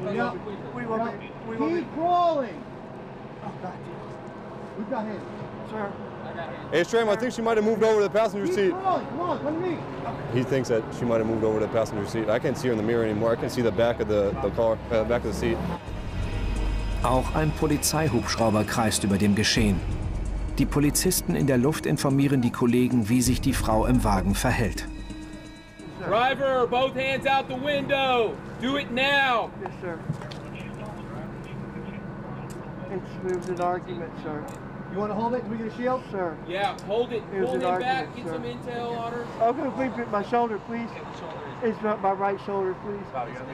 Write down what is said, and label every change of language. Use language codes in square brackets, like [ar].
[en] We will be. Keep crawling. Oh, God damn. We've got him. Sir. Hey, Shrem, I think she might have moved over to the passenger seat. Come on, come to me. He thinks that she might have moved over to the passenger seat. I can't see her in the mirror anymore. I can see the back of back of the seat. [de] Auch ein Polizeihubschrauber kreist über dem Geschehen. Die Polizisten in der Luft informieren die Kollegen, wie sich die Frau im Wagen verhält. [en] Driver, both hands out the window. Do it now. Yes, sir. It's moved an argument, sir. You want to hold it? Can we get a shield? Sir. Yeah, hold it. Pull him back. Get some intel on her. I'm going to bleep it. My shoulder, please. It's not my right shoulder, please.